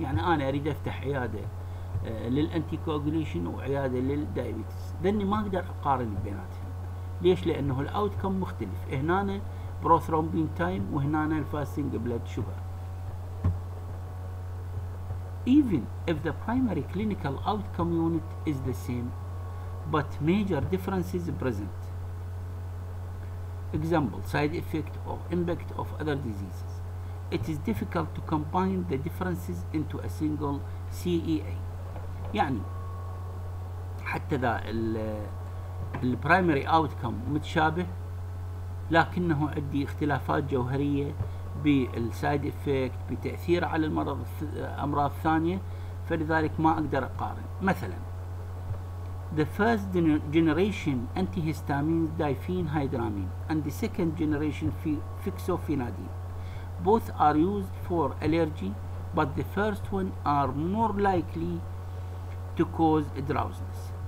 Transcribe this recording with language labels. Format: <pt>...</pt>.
<ar>يعني أنا أريد أفتح عيادة للانتيكواجوليشن وعيادة للدايبيتس، ذني ما أقدر أقارن بيناتهم. ليش؟ لأنه الأوتكم مختلف. هنا بروثرومبين تايم وهنا الفاستنج بلاد شوغر.</ar> <en>Even if the primary clinical outcome unit is the same, but major differences present. Example, side effect or impact of other diseases. It is difficult to combine the differences into a single CEA.</en> <ar>يعني حتى ذا الـ primary outcome متشابه، لكنه عندي اختلافات جوهرية بالسايد افكت، بتاثير على المرض امراض ثانيه، فلذلك ما اقدر اقارن.</ar> <en>مثلا the first generation antihistamines diphenhydramine and the second generation fixofenadine both are used for allergy but the first one are more likely to cause drowsiness.</en>